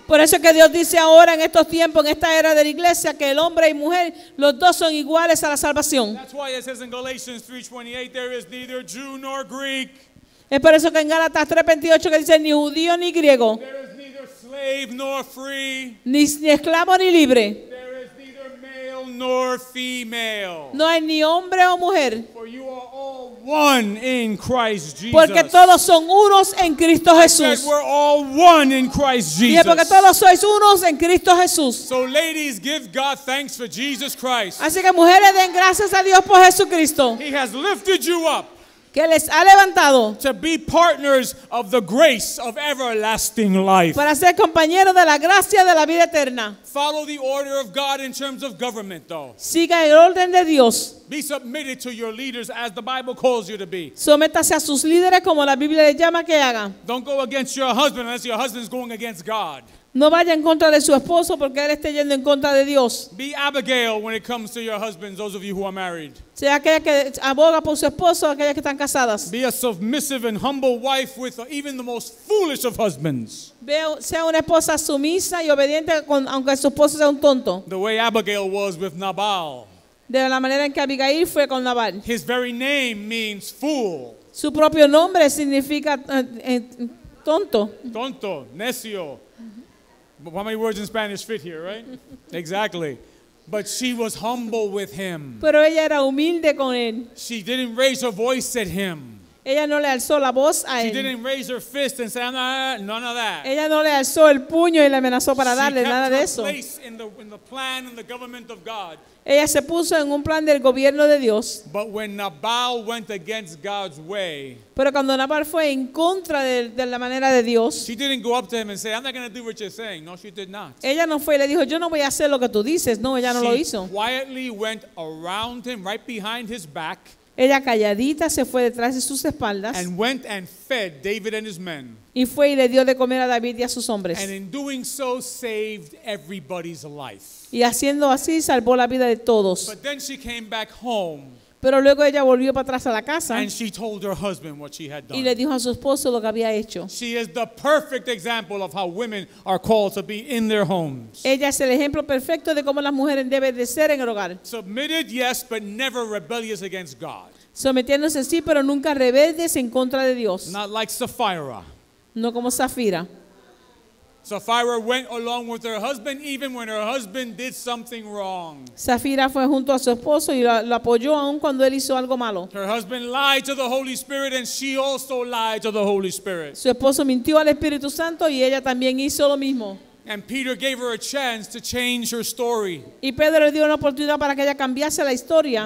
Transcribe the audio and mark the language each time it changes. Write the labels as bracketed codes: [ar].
[es] Por eso que Dios dice ahora en estos tiempos, en esta era de la iglesia, que el hombre y mujer, los dos son iguales a la salvación. [en] That's why it says in Galatians 3:28, there is neither Jew nor Greek. [es] Es por eso que en Gálatas 3:28 que dice ni judío ni griego. [en] There is neither slave nor free. [es] Ni esclavo ni libre. [en] Nor female. [es] No hay ni hombre o mujer. [en] For you are all one in Christ Jesus. [es] Porque todos son unos en Cristo Jesús. [en] Said, we're all one in Christ Jesus. [es] Dije, porque todos sois unos en Cristo Jesús. [en] So ladies, give God thanks for Jesus Christ. [es] Así que mujeres den gracias a Dios por Jesucristo. [en] He has lifted you up. [es] que les ha levantado [en] to be partners of the grace of everlasting life. [es] Para ser compañero de la gracia de la vida eterna. [en] Follow the order of God in terms of government, though. [es] Siga el orden de Dios. [en] Be submitted to your leaders as the Bible calls you to be. [es] Sométase a sus líderes como la Biblia le llama que haga. [en] Don't go against your husband unless your husband is going against God. [es] No vaya en contra de su esposo porque él esté yendo en contra de Dios. [en] Be Abigail when it comes to your husbands, those of you who are married. [es] Sea aquella que aboga por su esposo, aquellas que están casadas. [en] Be a submissive and humble wife with even the most foolish of husbands. [es] Sea una esposa sumisa y obediente aunque su esposo sea un tonto. [en] The way Abigail was with Nabal. [es] De la manera en que Abigail fue con Nabal. [en] His very name means fool. [es] Su propio nombre significa tonto. Tonto, necio. [en] How many words in Spanish fit here, right? Exactly. But she was humble with him. [es] Pero ella era humilde con él. [en] She didn't raise her voice at him. [es] Ella no le alzó la voz a [en] she [es] él. [en] Didn't raise her fist and say, none of that. [es] Ella no le alzó el puño y le amenazó para [en] she [es] darle [en] kept [es] nada [en] her [es] de eso. [en] Place in the plan and the government of God. [es] Ella se puso en un plan del gobierno de Dios. [en] But when Nabal went against God's way, [es] pero cuando Nabal fue en contra de la manera de Dios, [en] she didn't go up to him and say, I'm not going to do what you're saying. No, she did not. [es] Ella no fue y le dijo, yo no voy a hacer lo que tú dices. No, ella no [en] she [es] lo hizo. [en] She quietly went around him, right behind his back. [es] Ella calladita se fue detrás de sus espaldas. [en] And went and fed David and his men. [es] Y fue y le dio de comer a David y a sus hombres. [en] And in doing so, saved everybody's life. [es] Y haciendo así, salvó la vida de todos. [en] But then she came back home. [es] Pero luego ella volvió para atrás a la casa. [en] And she told her husband what she had done. [es] Y le dijo a su esposo lo que había hecho. [en] She is the perfect example of how women are called to be in their homes. [es] Ella es el ejemplo perfecto de cómo las mujeres deben de ser en el hogar. [en] Submitted, yes, but never rebellious against God. [es] Sometiéndose sí, pero nunca rebeldes en contra de Dios. [en] Not like Sapphira. [es] No como Zafira. [en] Sapphira went along with her husband even when her husband did something wrong. [es] Zafira fue junto a su esposo y lo apoyó aun cuando él hizo algo malo. [en] Her husband lied to the Holy Spirit and she also lied to the Holy Spirit. [es] Su esposo mintió al Espíritu Santo y ella también hizo lo mismo. [en] And Peter gave her a chance to change her story. [es] Y Pedro le dio una oportunidad para que ella cambiase la historia.